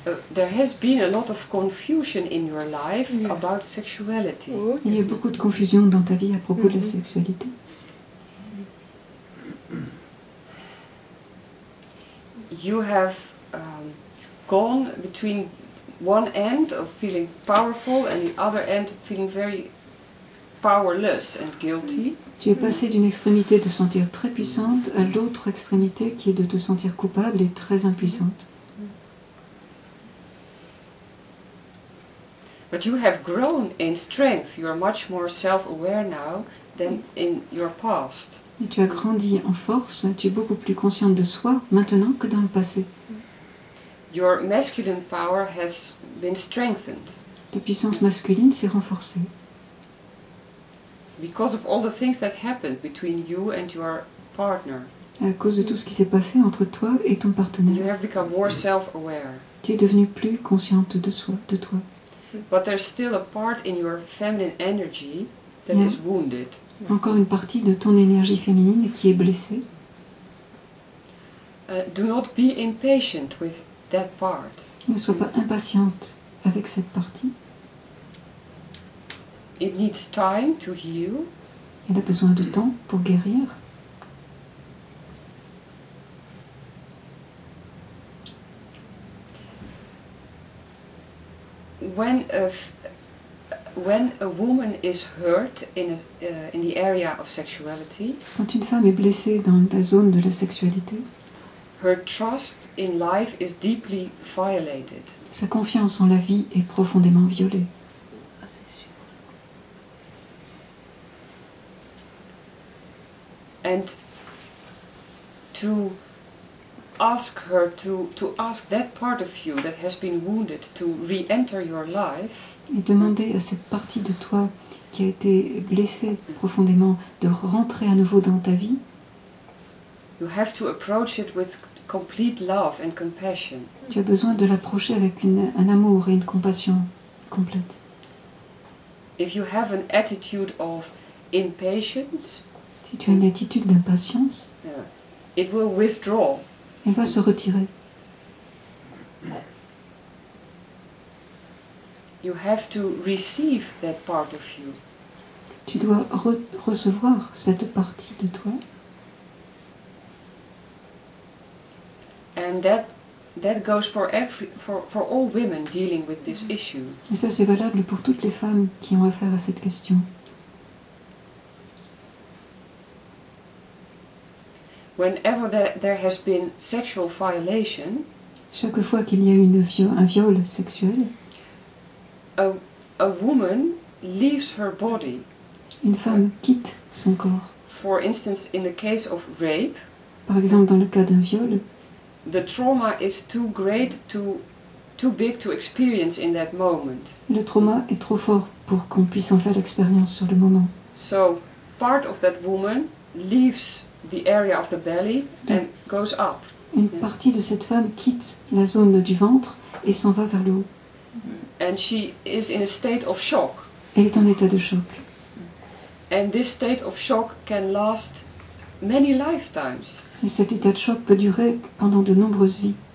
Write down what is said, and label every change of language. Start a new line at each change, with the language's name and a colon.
English: There has been a lot of confusion in your life about sexuality.
French: Il y a beaucoup de confusion dans ta vie à propos de la sexualité.
English: You have gone between one end of feeling powerful and the other end of feeling very powerless and guilty.
French: Tu es passé d'une extrémité de sentir très puissante à l'autre extrémité qui est de te sentir coupable et très impuissante.
English: But you have grown in strength. You are much more self-aware now than in your past.
French: Et tu as grandi en force. Tu es beaucoup plus consciente de soi maintenant que dans le passé.
English: Your masculine power has been strengthened.
French: Ta puissance masculine s'est renforcée.
English: Because of all the things that happened between you and your partner.
French: À cause de tout ce qui s'est passé entre toi et ton partenaire.
English: You have become more self-aware.
French: Tu es devenue plus consciente de soi, de toi.
English: But there's still a part in your feminine energy that is wounded.
French: Encore une partie de ton énergie féminine qui est blessée.
English: Do not be impatient with that part.
French: Ne sois pas impatiente avec cette partie.
English: It needs time to heal.
French: Elle a besoin de temps pour guérir.
English: When a woman is hurt in the area of sexuality,
French: quand une femme est blessée dans la zone de la sexualité,
English: her trust in life is deeply violated.
French: Sa confiance en la vie est profondément violée.
English: And to ask that part of you that has been wounded to re-enter your life.
French: Et demander à cette partie de toi qui a été blessée profondément de rentrer à nouveau dans ta vie.
English: You have to approach it with complete love and compassion.
French: Tu as besoin de l'approcher avec un amour et une compassion complète.
English: If you have an attitude of impatience,
French: si tu as une attitude d'impatience,
English: it will withdraw.
French: Elle va se retirer.
English: You have to receive that part of you.
French: Tu dois recevoir cette partie de toi.
English: And that goes for all women dealing with this issue.
French: Et ça, c'est valable pour toutes les femmes qui ont affaire à cette question.
English: Whenever there has been sexual violation,
French: chaque fois qu'il y a un viol sexuel,
English: a woman leaves her body.
French: Une femme quitte son corps.
English: For instance, in the case of rape,
French: par exemple dans le cas d'un viol,
English: the trauma is too great, too big to experience in that moment.
French: Le trauma est trop fort pour qu'on puisse en faire l'expérience sur le moment.
English: So, part of that woman leaves the area of the belly and goes up.
French: Une partie de cette femme quitte la zone du ventre et s'en va vers le haut.
English: And she is in a state of shock.
French: Elle est en état de choc.
English: And this state of shock can last many lifetimes.
French: Et cet état de choc peut durer pendant de nombreuses vies.